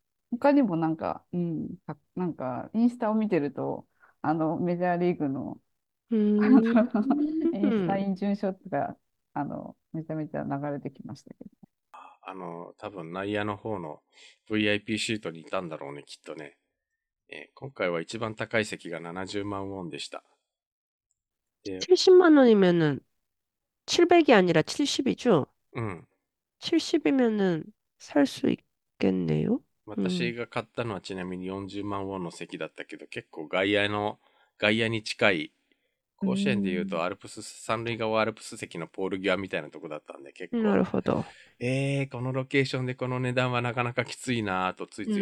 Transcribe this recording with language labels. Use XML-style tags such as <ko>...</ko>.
<ja>他にもなんか、なんか、インスタを見てると、メジャーリーグの、インスタインジュンショットが、めちゃめちゃ流れてきましたけど。多分内野の方の VIP シートにいたんだろうね、きっとね。今回は一番高い席が70万ウォンでした。で、</ja> <ko>70만 원이면은 700이 아니라 70이죠? 70이면은 살수 있겠네요.</ko> <ja>私が買ったのはちなみに40万ウォンの席だったけど、結構外野に近い、甲子園でいうとアルプス、三塁側アルプス席のポール際みたいなとこだったんで、結な構、るほど。このロケーションでこの値段はなかなかきついなぁと、ついつい</ja>